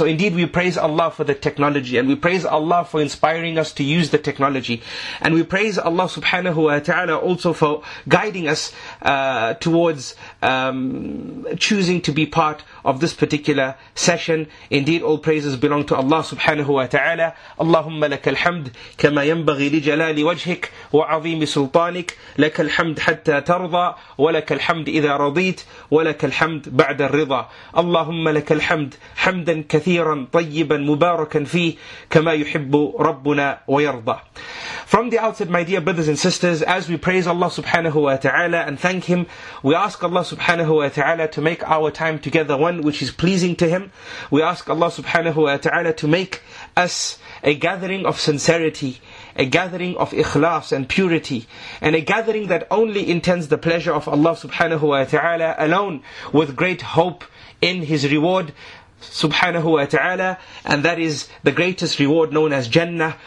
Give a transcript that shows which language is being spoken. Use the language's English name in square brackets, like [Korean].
[English] So indeed we praise Allah for the technology, and we praise Allah for inspiring us to use the technology, and we praise Allah subhanahu wa ta'ala also for guiding us towards choosing to be part of this particular session. Indeed all praises belong to Allah [Arabic] subhanahu wa ta'ala. Allahumma laka alhamd kama yanbaghi li jalali wajhik wa azim sultanik, laka alhamd hatta tarza wa laka alhamd إذا رضيت ولك الحمد بعد الرضا. اللهم لك الحمد حمدا كثيرا طيبا مباركا فيه كما يحب ربنا ويرضى. [English] From the outset, my dear brothers and sisters, as we praise Allah subhanahu wa ta'ala and thank Him, we ask Allah subhanahu wa ta'ala to make our time together one which is pleasing to Him. We ask Allah subhanahu wa ta'ala to make us a gathering of sincerity, a gathering of ikhlas and purity, and a gathering that only intends the pleasure of Allah subhanahu wa ta'ala alone, with great hope in His reward subhanahu wa ta'ala, and that is the greatest reward known as Jannah.